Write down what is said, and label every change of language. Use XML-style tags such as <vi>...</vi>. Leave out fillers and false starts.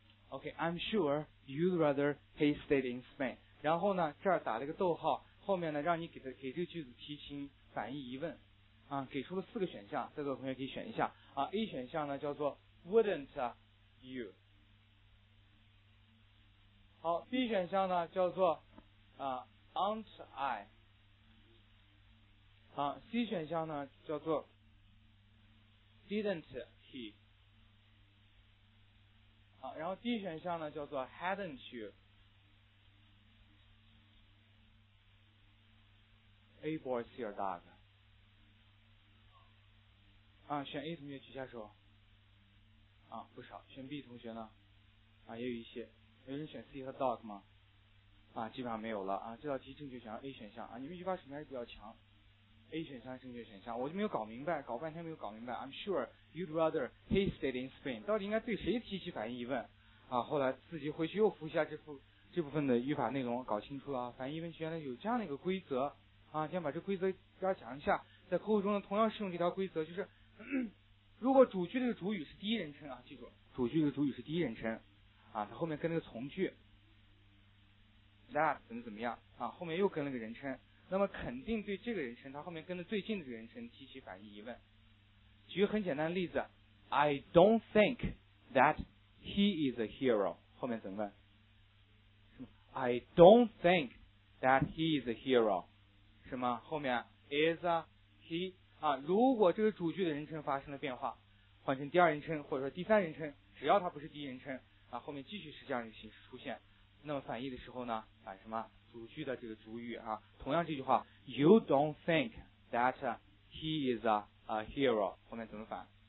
<en>OK, I'm sure you'd rather he stayed in Spain。</en> <zh>然后呢这儿打了一个逗号，后面呢让你给这个句子提醒反义疑问啊，给出了四个选项，在座的同学可以选一下啊。 A 选项呢叫做</zh> <en>wouldn't you。</en> <zh>好， B 选项呢叫做</zh> <en>aren't I。</en> <zh>好， C 选项呢叫做</zh> <en>didn't he。</en> <zh>好，然后 D 选项呢叫做</zh> <en>hadn't you。 A boy see your dog</en> <zh>啊，选 A 同学举下手啊，不少。选 B 同学呢啊，也有一些。有人选 C 和 dog 吗？啊，基本上没有了啊。这道题正确选项 A 选项啊，你们语法水平还是比较强， A 选项正确选项。我就没有搞明白，搞半天没有搞明白，</zh> <en>I'm sure you'd rather he stayed in Spain</en> <zh>到底应该对谁提起反应疑问啊。后来自己回去又复习一下这幅这部分的语法内容搞清楚了，反正一本学院有这样的一个规则啊，先把这规则给大家讲一下。在口语中呢，同样适用这条规则，就是如果主句这个主语是第一人称啊，记住主句这个主语是第一人称啊，它后面跟那个从句 that 怎么怎么样啊，后面又跟了个人称，那么肯定对这个人称，它后面跟的最近的这个人称提起反义疑问。举个很简单的例子，</zh> <en>I don't think that he is a hero，</en> <zh>后面怎么问？</zh> <en>I don't think that he is a hero，</en> <zh>是吗？后面 is a he 啊，如果这个主句的人称发生了变化，换成第二人称或者说第三人称，只要它不是第一人称啊，后面继续是这样的形式出现，那么反义的时候呢，反什么主句的这个主语啊，同样这句话</zh> <en>You don't think that he is a hero，</en> <zh>后面怎么反？</zh>